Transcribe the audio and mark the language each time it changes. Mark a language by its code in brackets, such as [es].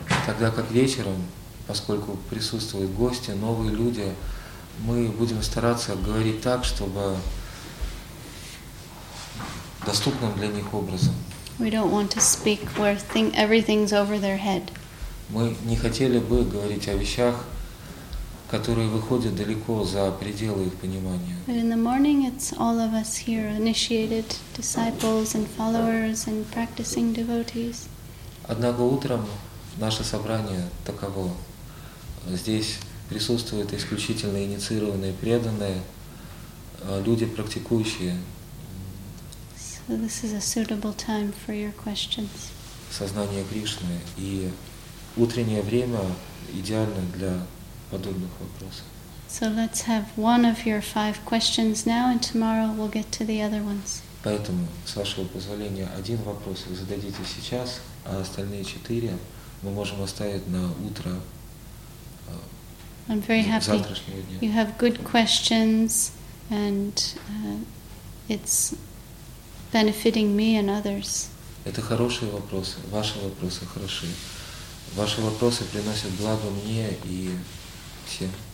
[ru] Тогда как вечером, поскольку присутствуют гости, новые люди, мы будем стараться говорить так, чтобы доступным для них образом. [en] We don't want to speak where everything's over their head. [ru] Мы не хотели бы говорить о вещах, которые выходят далеко за пределы их понимания. [en] But in the morning it's all of us here, initiated disciples and followers and practicing devotees. [ru] Однако утром наше собрание таково. Здесь присутствуют исключительно инициированные, преданные люди, практикующие. [en] So this is a suitable time for your questions. [ru] Сознание Кришны. И утреннее время идеально для подобных вопросов. [en] So let's have one of your five questions now, and tomorrow we'll get to the other ones. [ru] Поэтому, с вашего позволения, один вопрос вы зададите сейчас, а остальные четыре мы можем оставить на утро. [en] I'm very happy. You have good questions, and it's benefiting me and others. [ru] Это хорошие вопросы. Ваши вопросы хороши. Ваши вопросы приносят благо мне и всем.